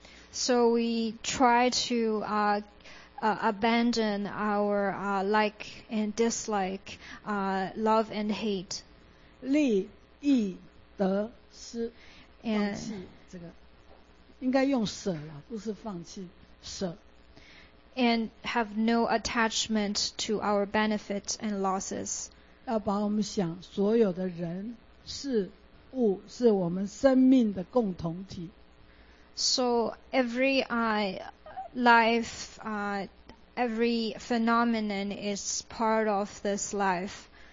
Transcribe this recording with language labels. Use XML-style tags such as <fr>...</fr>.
<en>So we try to abandon our like and dislike, love and hate.</en> <zh>利益得失, 放弃这个,应该用舍了,不是放弃,舍。</zh> <en>And have no attachment to our benefits and losses.</en> <zh>要把我们想所有的人事 物是我们生命的共同体。</zh> <en>So every life, every phenomenon is part of this life.</en>